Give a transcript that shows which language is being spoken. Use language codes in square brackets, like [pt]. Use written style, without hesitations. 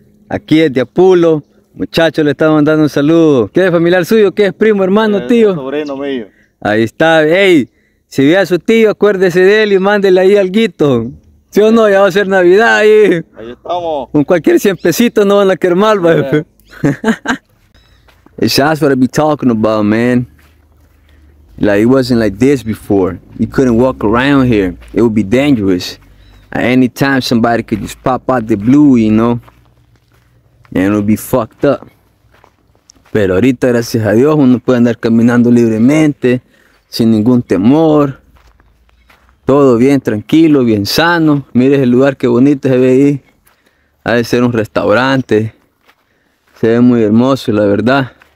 [es] Aquí es de Apulo. Muchacho, le estamos mandando un saludo. ¿Qué es familiar suyo? ¿Qué es primo, hermano, es tío? Sobrino mío. Ahí está, ey. Si ve a su tío, acuérdese de él y mándele ahí alguito. ¿Sí o no? Ya va a ser Navidad ahí. Ahí estamos. Con cualquier 100 pesitos no van a querer mal, jefe. [en] Yeah. That's what I be talking about, man. Like, it wasn't like this before. You couldn't walk around here. It would be dangerous. Anytime somebody could just pop out the blue, you know. And it would be fucked up. [es] Pero ahorita, gracias a Dios, uno puede andar caminando libremente. Sin ningún temor. Todo bien tranquilo, bien sano. Mire el lugar que bonito se ve ahí. Ha de ser un restaurante. Se ve muy hermoso, la verdad.